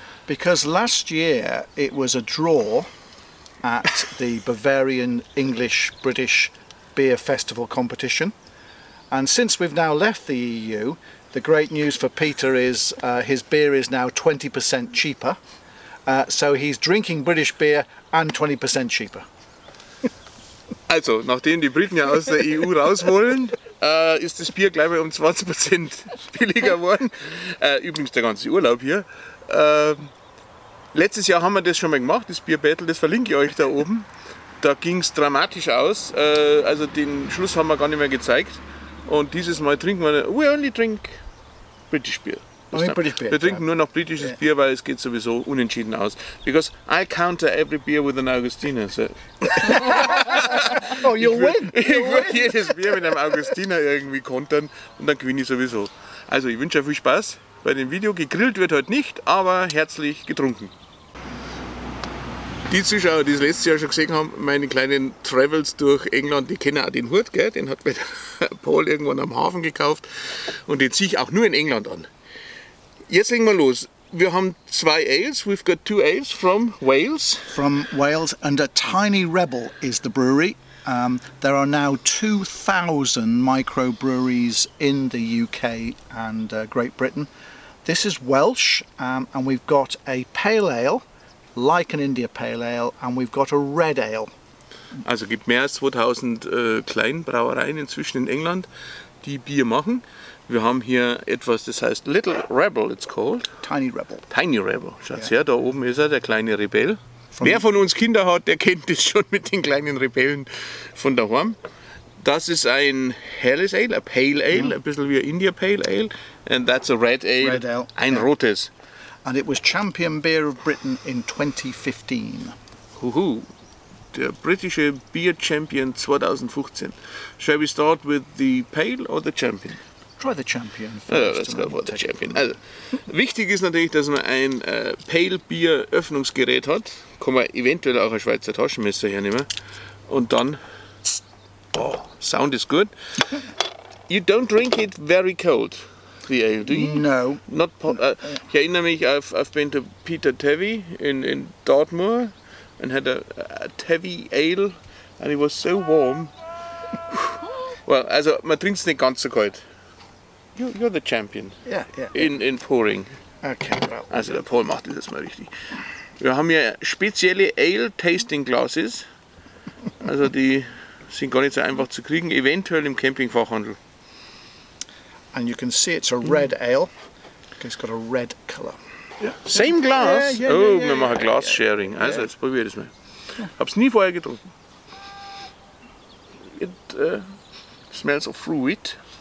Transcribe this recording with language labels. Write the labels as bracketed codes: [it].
[en] Because last year it was a draw at the Bavarian English British Beer Festival competition. And since we've now left the EU, the great news for Peter is his beer is now 20% cheaper. So he's drinking British beer and 20% cheaper. [de] Also, nachdem die Briten ja aus der EU raus wollen, ist das Bier gleich mal um 20% billiger geworden. Übrigens der ganze Urlaub hier. Letztes Jahr haben wir das schon mal gemacht, das Bierbattle, das verlinke ich euch da oben. Da ging es dramatisch aus. Also den Schluss haben wir gar nicht mehr gezeigt. Und dieses Mal trinken wir, [en] we only drink British Beer. British Beer. [de] Wir trinken nur noch britisches Bier, weil es geht sowieso unentschieden aus. [en] Because I counter every beer with an Augustiner. So. Oh, you'll win. [de] Ich würde jedes Bier mit einem Augustiner irgendwie kontern und dann gewinne ich sowieso. Also ich wünsche euch viel Spaß bei dem Video. Gegrillt wird heute nicht, aber herzlich getrunken. Die Zuschauer, die es letztes Jahr schon gesehen haben, meine kleinen Travels durch England, die kennen auch den Hut, gell? Den hat mir der Paul irgendwann am Hafen gekauft und den ziehe ich auch nur in England an. Jetzt legen wir los. Wir haben zwei Ales, [en] we've got two Ales from Wales. From Wales and a tiny rebel is the brewery. There are now 2,000 microbreweries in the UK and Great Britain. This is Welsh and we've got a pale ale. Like an India Pale Ale, and we've got a Red Ale. [de] Also gibt mehr als 2000 Kleinbrauereien inzwischen in England, die Bier machen. Wir haben hier etwas, das heißt Little Rebel, [en] it's called. Tiny Rebel. [de] Tiny Rebel, schaut's her, da oben ist er, der kleine Rebell. Wer von uns Kinder hat, der kennt das schon mit den kleinen Rebellen von daheim. Das ist ein helles Ale, [en] a Pale Ale, [de] ein bisschen wie ein India Pale Ale. [en] And that's a Red Ale, Red Ale. [de] Ein rotes. [en] And it was Champion Beer of Britain in 2015. [de] Huhu, der britische Beer Champion 2015. [en] Shall we start with the Pale or the Champion? Try the Champion. Let's go for the Champion. [de] Also, wichtig ist natürlich, dass man ein Pale Bier Öffnungsgerät hat. Kann man eventuell auch ein Schweizer Taschenmesser hernehmen. Und dann, [en] oh, sound is good. You don't drink it very cold. The ale, do you? No. Not [de] ich erinnere mich, [en] I've been to Peter Tevi in Dartmoor and had a Tevi Ale and it was so warm. [de] Well, also man trinkt es nicht ganz so kalt. [en] You're the champion. Yeah. In pouring. Okay, well. [de] Also der Paul macht das jetzt mal richtig. Wir haben hier spezielle Ale Tasting Glasses. Also die sind gar nicht so einfach zu kriegen, eventuell im Campingfachhandel. [en] And you can see it's a red ale. It's got a red colour. Yeah. Same glass? [de] Wir machen Glass Sharing. Also, jetzt probier das mal. Hab's nie vorher getrunken. [en] It smells of fruit.